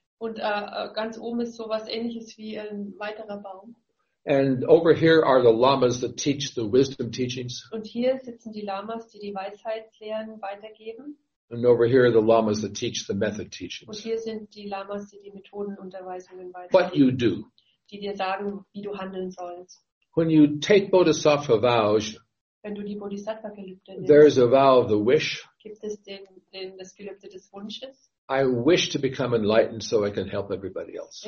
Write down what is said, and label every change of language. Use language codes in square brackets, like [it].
[de] Und ganz oben ist sowas ähnliches wie ein weiterer Baum. [en] And over here are the lamas that teach the wisdom teachings. [de] Und hier sitzen die Lamas, die die Weisheitslehren weitergeben. [en] And over here are the lamas that teach the method teachings. [de] Und hier sind die Lamas, die die Methodenunterweisungen weitergeben. [en] What you do. [de] Die dir sagen, wie du handeln sollst. [en] When you take Bodhisattva vows, [de] wenn du die Bodhisattva Gelübde nimmst, [en] there is a vow of the wish. [de] Gibt es das Gelübde des Wunsches? [en] I wish to become enlightened so I can help everybody else.